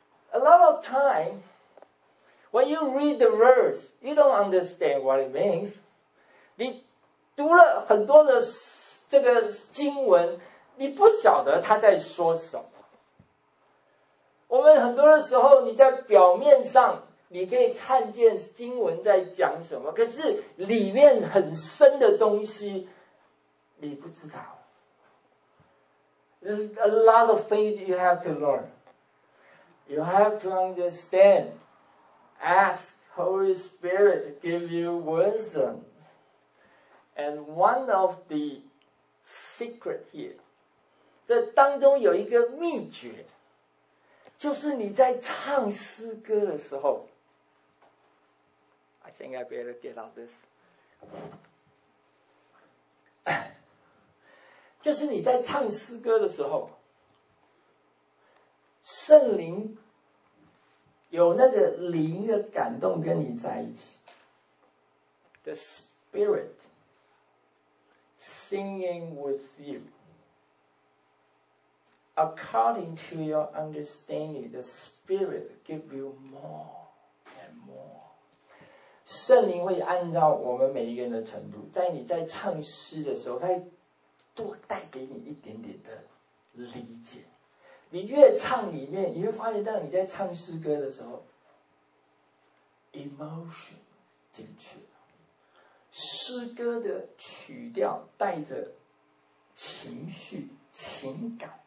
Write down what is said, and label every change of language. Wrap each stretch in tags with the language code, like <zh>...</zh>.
<en>A lot of time when you read the words, you don't understand what it means.</en> <zh>你读了很多的这个经文，你不晓得他在说什么。我们很多的时候，你在表面上你可以看见经文在讲什么，可是里面很深的东西你不知道。</zh> <en>A lot of things you have to learn. You have to understand. Ask Holy Spirit to give you wisdom. And one of the secret here,</en> <zh>这当中有一个秘诀，就是你在唱诗歌的时候，</zh> <en>I think I better get out this.</en> <zh>就是你在唱诗歌的时候，圣灵有那个灵的感动跟你在一起。</zh> <en>The Spirit singing with you. According to your understanding, the Spirit give you more and more.</en> <zh>圣灵会按照我们每一个人的程度，在你在唱诗的时候，他会多带给你一点点的理解。你越唱里面，你会发现到你在唱诗歌的时候 ，emotion 进去了，诗歌的曲调带着情绪、情感。</zh>